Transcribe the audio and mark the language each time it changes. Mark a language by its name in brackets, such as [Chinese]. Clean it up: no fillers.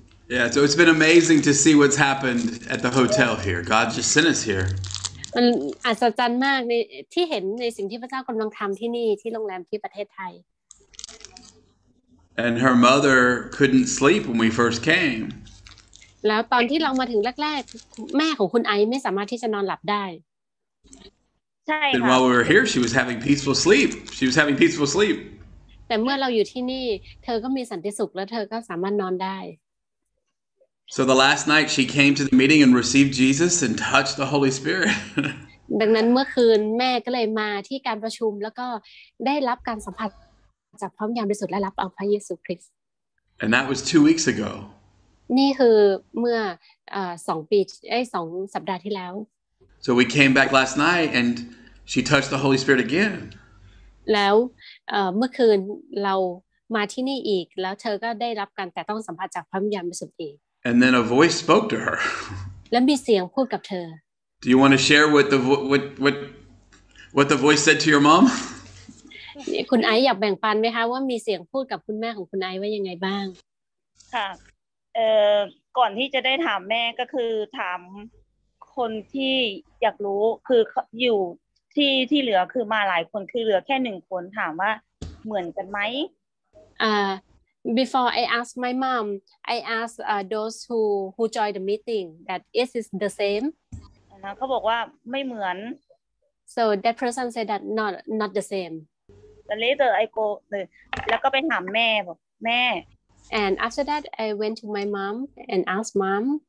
[English] Yeah, so it's been amazing to see what's happened at the hotel here. God just sent us here. [Thai] มันอัศจรรย์มากในที่เห็นในสิ่งที่พระเจ้ากำลังทำที่นี่ที่โรงแรมที่ประเทศไทย [English] And her mother couldn't sleep when we first came. [Thai] แล้วตอนที่เรามาถึงแรกๆแม่ของคุณไอไม่สามารถที่จะนอนหลับได้ ใช่ค่ะ [English] Then while we were here, she was having peaceful sleep. She was having peaceful sleep. [Thai] แต่เมื่อเราอยู่ที่นี่เธอก็มีสันติสุขและเธอก็สามารถนอนได้ [English] So the last night she came to the meeting and received Jesus and touched the Holy Spirit. [Thai] ดังนั้นเมื่อคืนแม่ก็เลยมาที่การประชุมแล้วก็ได้รับการสัมผัสจากพระวิญญาณบริสุทธิ์และรับเอาพระเยซูคริสต์ [English] And that was 2 weeks ago. [Thai] นี่คือเมื่อ2ปีไอ้2สัปดาห์ที่แล้ว [English] So we came back last night and she touched the Holy Spirit again [Thai] แล้วเมื่อคืนเรามาที่นี่อีกแล้วเธอก็ได้รับการแต่ต้องสัมผัสจากพระวิญญาณบริสุทธิ์อีก [English] And then a voice spoke to her [Thai] แล้วมีเสียงพูดกับเธอ [English] Do you want to share what the voice said to your mom? [Thai] คุณไออยากแบ่งปันไหมคะว่ามีเสียงพูดกับคุณแม่ของคุณไอว่ายังไงบ้าง ค่ะก่อนที่จะได้ถามแม่ก็คือถามคนที่อยากรู้คืออยู่ที่ที่เหลือคือมาหลายคนคือเหลือแค่หนึ่งคนถามว่าเหมือนกันไหม [English] Before I ask my mom, I ask those who joined the meeting that is it the same? [Thai] นะเขาบอกว่าไม่เหมือน [English] so that person said that not the same [Thai] แต่ [English] later I go [Thai] แล้วก็ไปถามแม่บอกแม่ [English] and after that I went to my mom and asked mom